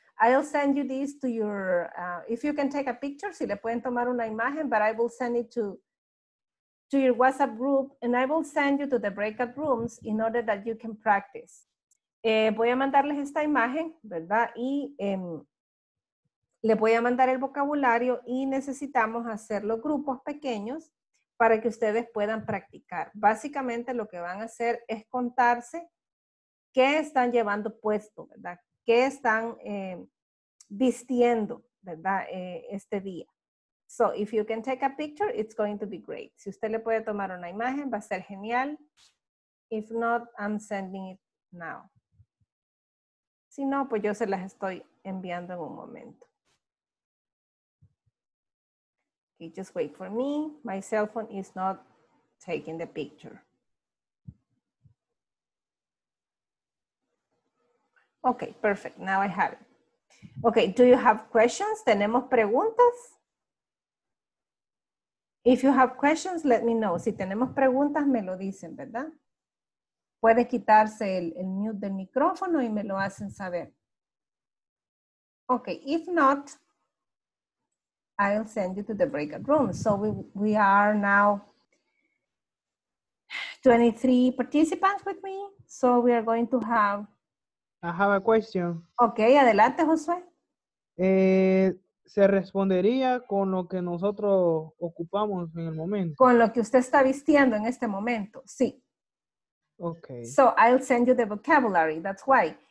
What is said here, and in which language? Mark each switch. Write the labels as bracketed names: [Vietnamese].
[English] I'll send you this to your, if you can take a picture, [Spanish] si le pueden tomar una imagen, [English] but I will send it to your WhatsApp group, and I will send you to the breakout rooms in order that you can practice. [Spanish] Voy a mandarles esta imagen, ¿verdad? Y le voy a mandar el vocabulario y necesitamos hacer los grupos pequeños para que ustedes puedan practicar. Básicamente lo que van a hacer es contarse qué están llevando puesto, ¿verdad? Que están vistiendo, ¿verdad? Este día. [English] So, if you can take a picture, it's going to be great. [Spanish] Si usted le puede tomar una imagen, va a ser genial. [English] If not, I'm sending it now. [Spanish] Si no, pues yo se las estoy enviando en un momento. [English] Okay, just wait for me. My cell phone is not taking the picture. Okay, perfect. Now I have it. Okay, do you have questions? [Spanish] ¿Tenemos preguntas? [English] If you have questions, let me know. [Spanish] Si tenemos preguntas, me lo dicen, ¿verdad? Puede quitarse el mute del micrófono y me lo hacen saber. [English] Okay, if not, I'll send you to the breakout room. So we are now 23 participants with me. So we are going to have... I have a question. [Spanish] Okay, adelante, Josué. ¿Se respondería con lo que nosotros ocupamos en el momento? Con lo que usted está vistiendo en este momento, sí. [English] Okay. So I'll send you the vocabulary, that's why.